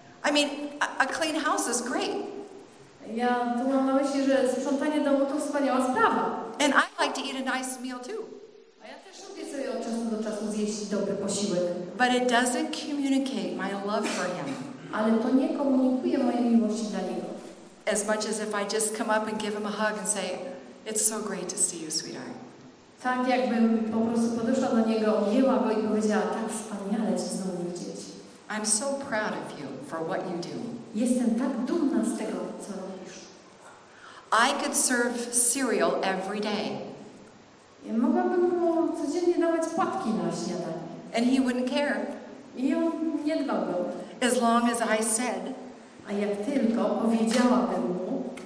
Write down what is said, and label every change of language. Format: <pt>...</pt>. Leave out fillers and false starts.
<en>I mean, a clean house is great.</en> <pl>Ja tu mam na myśli, że sprzątanie domu to wspaniała sprawa.</pl> <en>And I like to eat a nice meal too.</en> <pl>A ja też lubię sobie od czasu do czasu zjeść dobry posiłek.</pl> <en>But it doesn't communicate my love for him.</en> <pl>Ale to nie komunikuje mojej miłości dla niego.</pl> <en>As much as if I just come up and give him a hug and say, it's so great to see you, sweetheart.</en> <pl>Tak jakbym po prostu podeszła do niego, objęła go i powiedziała, tak wspaniale cię znowu widzieć.</pl> <en>I'm so proud of you for what you do.</en> <pl>Jestem tak dumna z tego, co robisz.</pl> <en>I could serve cereal every day.</en> <pl>Ja mogłabym mu codziennie dawać płatki na śniadanie.</pl> <en>And he wouldn't care.</en> <pl>I on nie dbałby.</pl> <en>As long as I said.</en> <pl>A jak tylko powiedziałabym mu.</pl>